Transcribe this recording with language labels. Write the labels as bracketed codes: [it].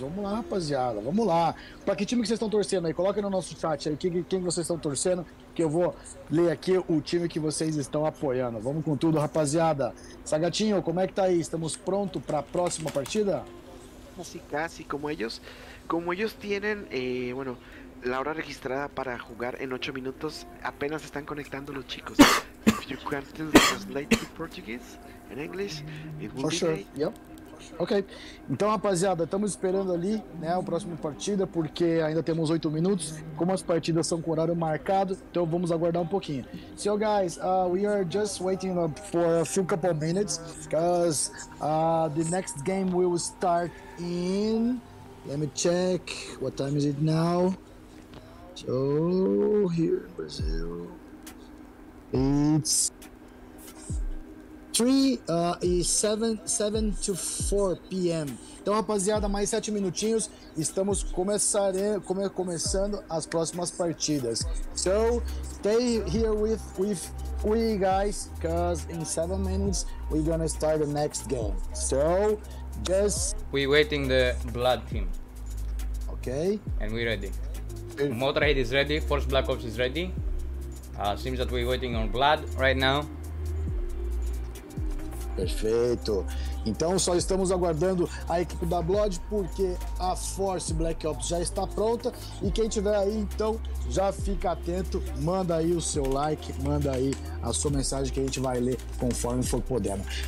[pt] Vamos lá, rapaziada. Vamos lá. Pra que time que vocês estão torcendo aí? Coloca no nosso chat aí quem vocês estão torcendo, que eu vou ler aqui o time que vocês estão apoiando. Vamos com tudo, rapaziada. Sagatinho, como é que tá aí? Estamos prontos pra próxima partida? Sim, quase. [es] Como eles têm, bueno, a hora registrada para jogar em 8 minutos, apenas estão conectando os chicos. [en] If you can translate to Portuguese and English, it will for be sure. Great. Yep. [pt] Ok, então rapaziada, estamos esperando ali, né, a próxima partida, porque ainda temos 8 minutos, como as partidas são com horário marcado, então vamos aguardar um pouquinho. [en] So guys, we are just waiting for a few couple of minutes, because the next game will start in, let me check, what time is it now? So, here in Brazil, it's 3:07 to 4 p.m. [pt] Então, rapaziada, mais 7 minutinhos. Estamos começando as próximas partidas. [en] So, stay here with we guys, because in 7 minutes we're gonna start the next game. So, just we waiting the blood team. Okay. And we ready. Motorhead is ready. Force Black Ops is ready. Seems that we're waiting on blood right now. [pt] Perfeito. Então só estamos aguardando a equipe da Blood, porque a Force Black Ops já está pronta. E quem tiver aí, então, já fica atento. Manda aí o seu like, manda aí a sua mensagem que a gente vai ler conforme for podendo.